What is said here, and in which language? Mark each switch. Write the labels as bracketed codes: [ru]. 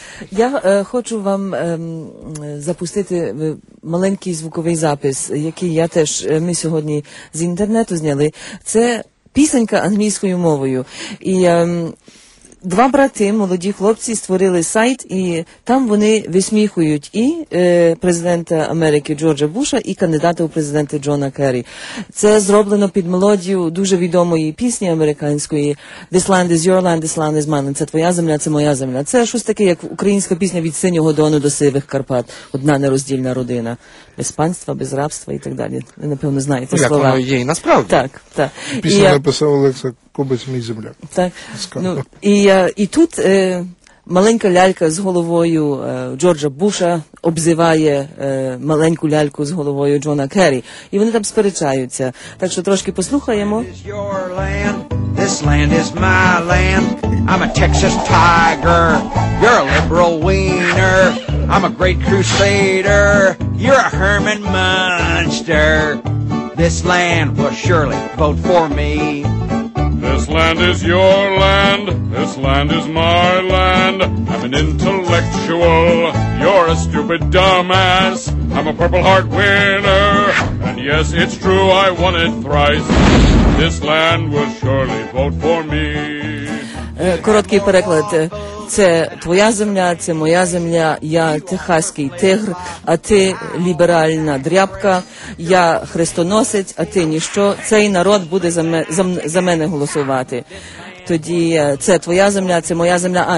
[uk] Я хочу вам запустити маленький звуковий запис, який я теж, ми сьогодні з інтернету зняли. Це пісенька англійською мовою. І... два брати, молоді хлопці, створили сайт, і там вони висміхують і президента Америки Джорджа Буша, і кандидата у президенти Джона Керрі. Це зроблено під мелодію дуже відомої пісні американської [en] «This land is your land, this land is mine». [uk] Це твоя земля, це моя земля. Це щось таке, як українська пісня «Від синього Дону до сивих Карпат». Одна нероздільна родина. Без панства, без рабства і так далі. Ви, напевно, знаєте як слова. Як воно є і насправді. Так, так. Пісня написав Олекса Кобець «Мій земля». Так. Ну, і тут маленька лялька з головою Джорджа Буша обзиває маленьку ляльку з головою Джона Керрі. І вони там сперечаються. Так що трошки послухаємо. [en] This land is your land, this land is my land. I'm a Texas tiger, you're a liberal wiener. I'm a great crusader, you're a Herman Munster. This land will surely vote for me. This land is your land, this land is my land. I'm an intellectual, you're a stupid dumbass. I'm a Purple Heart winner, and Yes, it's true, I won it thrice. This land will surely vote for me. [uk] Короткий переклад. Це твоя земля, це моя земля, я техаський тигр, а ти ліберальна дряпка, я хрестоносець, а ти ніщо. Цей народ буде за мене голосувати. Тоді це твоя земля, це моя земля.